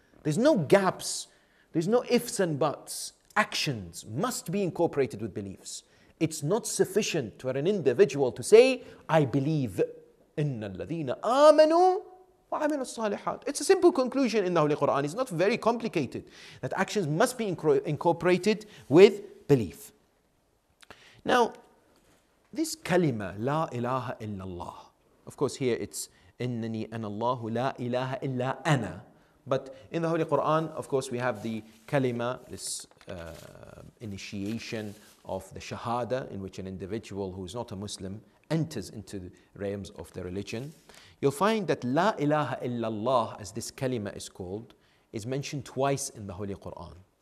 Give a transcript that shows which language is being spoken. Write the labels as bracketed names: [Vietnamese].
[English] There's no gaps, there's no ifs and buts. Actions must be incorporated with beliefs. It's not sufficient for an individual to say, I believe. [Arabic] إِنَّ الَّذِينَ آمَنُوا وَعَمِلُوا الصَّالِحَاتِ. [English] It's a simple conclusion in the Holy Qur'an. It's not very complicated. That actions must be incorporated with belief. Now, this kalima, [Arabic] لا إله إلا الله. [English] Of course, here it's [Arabic] إِنَّنِي أَنَ اللَّهُ لَا إِلَهَ إِلَّا أَنَا. [English] But in the Holy Qur'an, of course, we have the kalima, this initiation of the shahada, in which an individual who is not a Muslim enters into the realms of the religion. You'll find that La ilaha illallah, as this kalima is called, is mentioned twice in the Holy Quran.